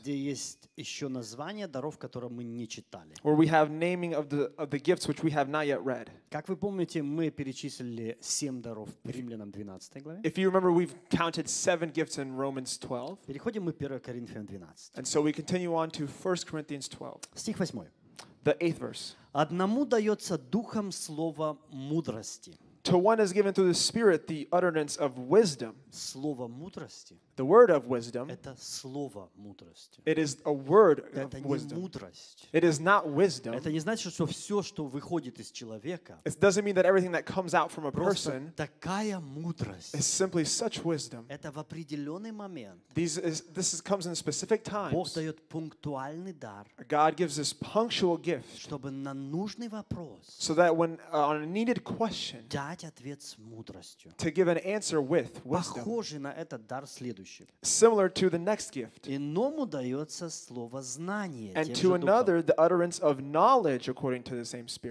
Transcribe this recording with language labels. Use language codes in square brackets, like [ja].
[ru] Где есть еще название даров, которые мы не читали. [en] Where we have naming of the gifts which we have not yet read. [ru] Как вы помните, мы перечислили 7 даров в Римлянам 12 главе. [en] If you remember, we've counted 7 gifts in Romans 12. [ru] Переходим мы 1 Коринфянам 12. [en] And so we continue on to 1 Corinthians 12. [ru] Стих 8. [en] The 8th verse. [ru] Одному дается духом слово мудрости. [en] To one is given through the Spirit the utterance of wisdom. [ru] Слово мудрости. [en] The word of wisdom. [ru] Это слово мудрости. [en] It is a word [ru] это [en] of wisdom. [ru] Это не мудрость. [en] It is not wisdom. [ru] Это не значит, что все, что выходит из человека. [en] It doesn't mean that everything that comes out from a person. [ru] Просто такая мудрость. [en] Is simply such wisdom. [ru] Это в определенный момент. [en] This comes in specific times. [ru] Бог дает пунктуальный дар. [en] God gives this punctual gift. [ru] Чтобы на нужный вопрос. [en] So that when on a needed question. [ru] Дать ответ с мудростью. [en] To give an answer with wisdom. [ru] Похожий на этот дар с [en] similar to the next gift. [ru] Иному дается слово знание. [en] And to another, the utterance of knowledge according to the same Spirit.